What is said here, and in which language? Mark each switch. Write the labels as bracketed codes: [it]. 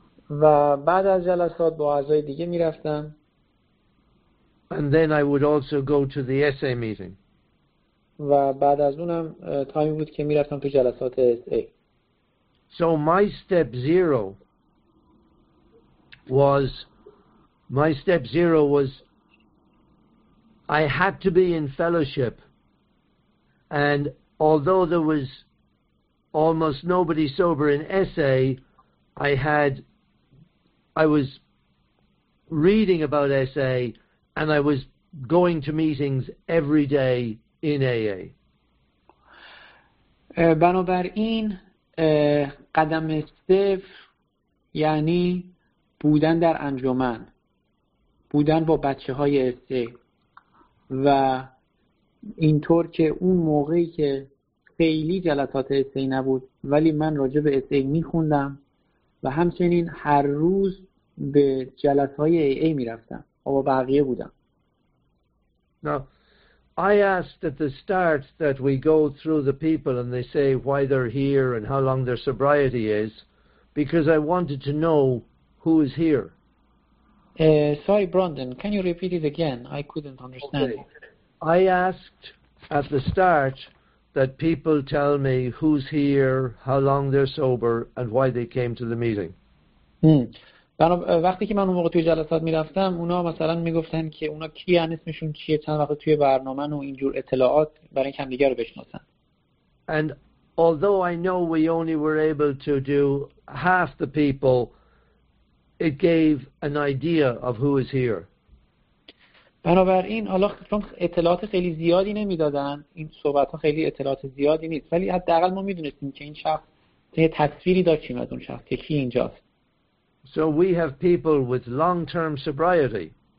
[fa] و بعد از جلسات با اعضای دیگه میرفتم. [en] And then I would also go to the SA meeting. [fa] و بعد از اونم تایمی بود که میرفتم توی جلسات SA. [en] So my step zero was my step zero was I had to be in fellowship. And although there was almost nobody sober in SA, I was reading about SA and I was going to meetings every day in AA. [fa] بنابراین قدم صفر یعنی بودن در انجمن، بودن با بچه های اسه و اینطور که اون موقعی که خیلی جلسات اسه نبود ولی من راجع به اسه میخوندم و همچنین هر روز به جلسات های AA میرفتم و با بقیه بودم. [en] No. I asked at the start that we go through the people and they say why they're here and how long their sobriety is because I wanted to know who is here. Sorry, Brandon, can you repeat it again? I couldn't understand. Okay. I asked at the start that people tell me who's here, how long they're sober, and why they came to the meeting. [fa] وقتی که من اون موقع توی جلسات میرفتم اونا مثلا میگفتن که اونا کیان، اسمشون چیه، چند وقت توی برنامه و اینجور اطلاعات برای اینکه همدیگر رو بشناسن. [en] And although I know we only were able to do half the people, it gave an idea of who is here. [fa] بنابراین حالا چون اطلاعات خیلی زیادی نمیدادن، این صحبت ها خیلی اطلاعات زیادی نیست، ولی حداقل ما میدونستیم که این شخص چه تصویری داشتیم از اون شخص که کی اینجاست. [en] So we have people with long-term sobriety.